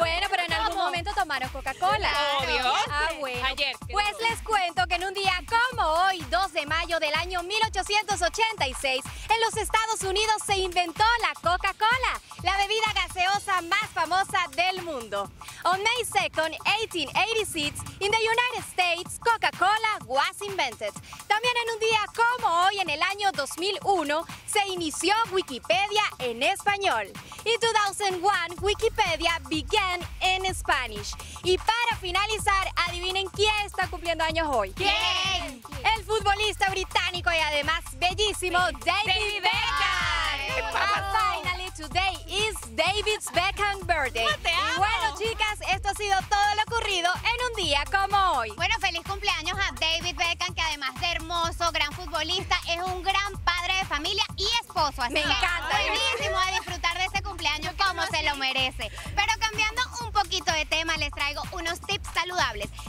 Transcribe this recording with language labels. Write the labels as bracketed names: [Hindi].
[Spanish] Bueno, pero en algún momento tomaron Coca-Cola. Obvio. Ah, bueno. Ayer. Pues les cuento que en un día como hoy, 2 de mayo del año 1886, en los Estados Unidos se inventó la Coca-Cola. la bebida gaseosa más famosa del mundo. [English] On May 2nd, 1886, in the United States, Coca-Cola was invented. [Spanish] También en un día como hoy, en el año 2001, se inició Wikipedia en español. [English] In 2001, Wikipedia began in Spanish. [Spanish] Y para finalizar, adivinen quién está cumpliendo años hoy. ¿Quién? El futbolista británico y además bellísimo, David Beckham. [English] Finally, today is David's Beckham birthday. [Spanish] No te amo. Y bueno, chicas, esto ha sido todo lo ocurrido en un día como hoy. Bueno, feliz cumpleaños a David Beckham, que además de hermoso, gran futbolista, es un gran padre de familia y esposo. Así me encanta. Buenísimo, a disfrutar de este cumpleaños como se lo merece. Pero cambiando un poquito de tema, les traigo unos tips saludables.